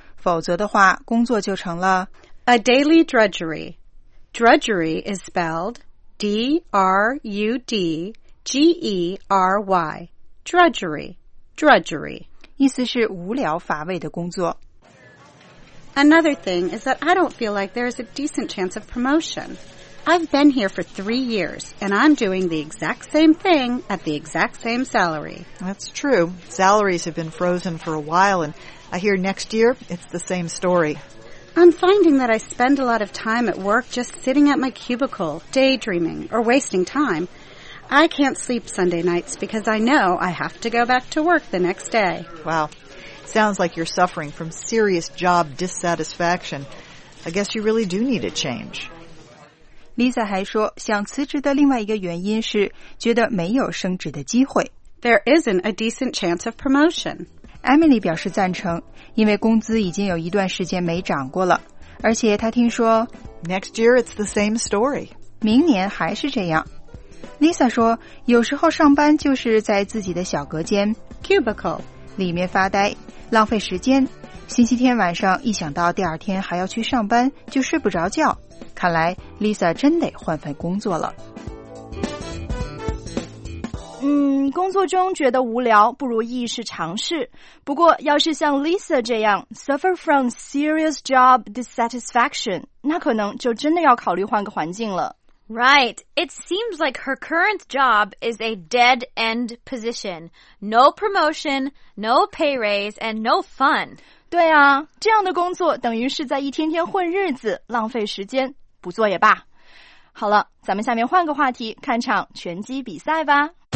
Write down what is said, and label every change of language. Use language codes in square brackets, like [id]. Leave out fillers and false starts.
[zh] 否则的话，工作就成了 [en] a daily drudgery. Drudgery is spelled D-R-U-D G-E-R-Y, drudgery, drudgery. [zh] 意思是无聊乏味的工作。 [en] Another thing is that I don't feel like there is a decent chance of promotion. I've been here for 3 years, and I'm doing the exact same thing at the exact same salary. That's true. Salaries have been frozen for a while, and I hear next year it's the same story. I'm finding that I spend a lot of time at work just sitting at my cubicle, daydreaming, or wasting time. I can't sleep Sunday nights because I know I have to go back to work the next day. Wow. Sounds like you're suffering from serious job dissatisfaction. I guess you really do need a change. [zh] Lisa 还说想辞职的另外一个原因是觉得没有升职的机会。 [en] There isn't a decent chance of promotion. [zh] Emily 表示赞成，因为工资已经有一段时间没涨过了，而且她听说 [en] Next year it's the same story. [zh] 明年还是这样。Lisa 说有时候上班就是在自己的小隔间 [en] cubicle [zh] 里面发呆，浪费时间，星期天晚上一想到第二天还要去上班就睡不着觉，看来 Lisa 真得换份工作了。工作中觉得无聊不如一试尝试，不过要是像 Lisa 这样 [en] suffer from serious job dissatisfaction， [zh] 那可能就真的要考虑换个环境了。 [en] Right. It seems like her current job is a dead-end position. No promotion, no pay raise, and no fun. [zh] 对啊，这样的工作等于是在一天天混日子，浪费时间，不做也罢。好了，咱们下面换个话题，看场拳击比赛吧。